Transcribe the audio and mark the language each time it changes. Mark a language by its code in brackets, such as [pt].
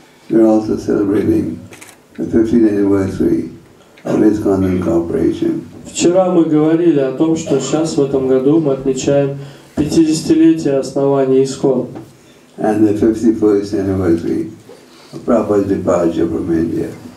[en] We're also celebrating the 50th anniversary of ISKCON Incorporation. [ru] Вчера мы говорили о том, что сейчас в этом году мы отмечаем 50-летие основания ISKCON. [en] And the 51st anniversary of Prabhupada's departure from India.